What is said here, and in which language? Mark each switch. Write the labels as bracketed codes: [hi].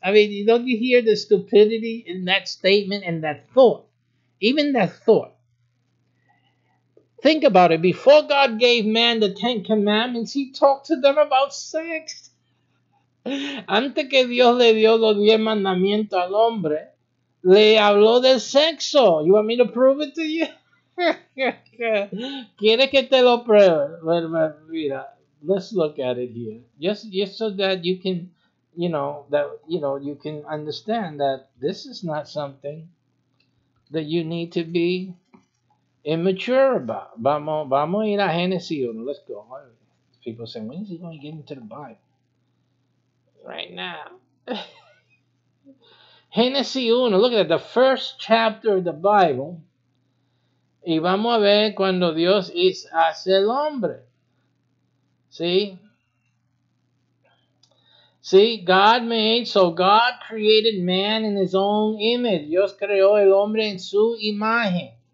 [en] I mean, don't you hear the stupidity in that statement and that thought? Even that thought. Think about it. Before God gave man the Ten Commandments, he talked to them about sex. [es] Antes que Dios le dio los diez mandamientos al hombre, le habló del sexo. [en] You want me to prove it to you? [es] ¿Quieres que te lo pruebe? [en] Mira, let's look at it here. Just so that you can, you know, that, you know, you can understand that this is not something that you need to be immature about. [es] Vamos a ir a Genesis 1. [en] Let's go. People say, when is he going to get into the Bible? Right now. Genesis 1. Look at that, the first chapter of the Bible. [es] Y vamos a ver cuando Dios hace el hombre. [en] See, God made, so God created man in his own image. [es] Dios creó el hombre en su imagen.